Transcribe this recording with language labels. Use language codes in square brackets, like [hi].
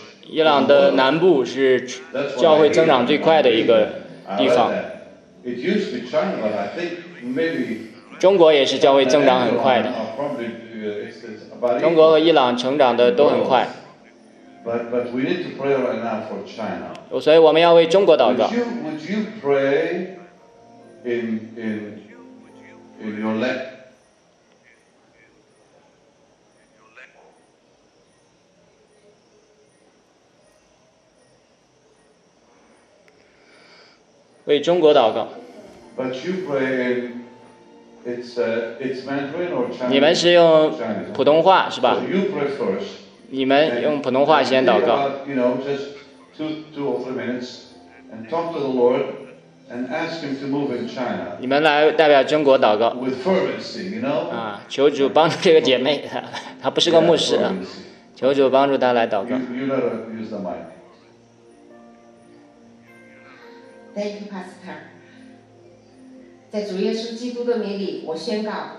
[zh] 伊朗的南部是教会增长最快的一个地方 中国也是教会增长很快的 中国和伊朗成长的都很快 [en] But we need to pray right now for China. [zh] 所以我们要为中国祷告。 [en] Would you pray in your lap? [zh] 为中国祷告。 [en] But you pray in it's Mandarin or Chinese? [zh] 你们是用普通话是吧？ [en] So you pray first. [zh] 你们用普通话先祷告。 [en] You know, just two or three minutes and talk to the Lord and ask Him to move in China. [zh] 你们来代表中国祷告。 [en] With fervency, you know. [zh] 啊，求主帮助这个姐妹，她不是个牧师。求主帮助他来祷告。 [en] You let her use the mic. Thank you, Pastor. [zh] 在主耶稣基督的名里，我宣告。